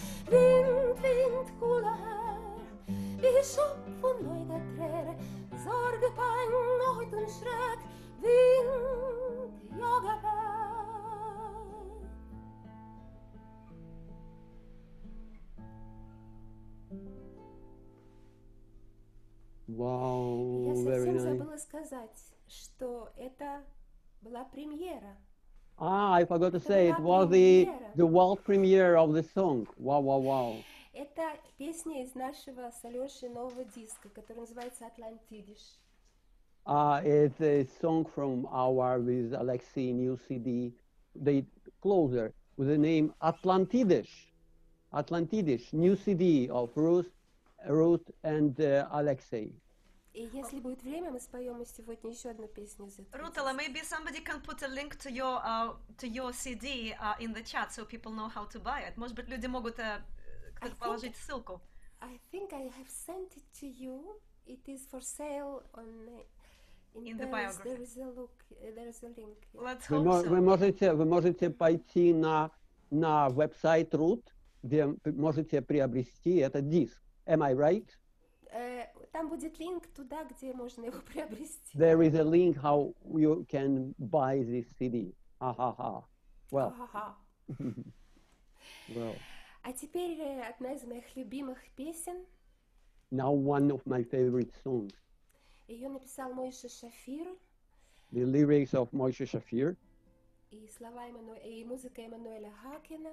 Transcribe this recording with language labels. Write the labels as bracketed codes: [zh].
[en] Wind, wind, cooler, wie Schopf und Neugatter, Sorge, Pein, Neut und Schreck, Wind, jage weg. Wow, very nice. [ru] Я совсем забыла сказать, что это была премьера. [en] Ah, I forgot to say, it was the world premiere of the song. Wow, wow, wow. [ru] Это песня из нашего с Алёшей нового диска, который называется «Атлантидиш». [en] It's a song from our with Alexei new CD, the closer, with the name «Атлантидиш». «Атлантидиш», new CD of Ruth and Alexei. [ru] И если будет время, мы споем сегодня еще одну песню из этого. [en] Рутала, maybe somebody can put a link to your CD in the chat, so people know how to buy it. [ru] Может быть, люди могут кто-то положить ссылку. [en] I think I have sent it to you. It is for sale on in the biography. There is a link. Yeah. Let's hope so. [ru] Вы можете пойти на веб-сайт Рут, где можете приобрести этот диск. [en] Am I right? [ru] Там будет линк туда, где можно его приобрести. [en] There is a link how you can buy this CD. Ha-ha-ha. Well. Well. [ru] А теперь одна из моих любимых песен. [en] Now one of my favorite songs. [ru] Ее написал Моше Шафир. [en] The lyrics of Moshe Shafir. [ru] И слова и музыка Эммануэля Хакена.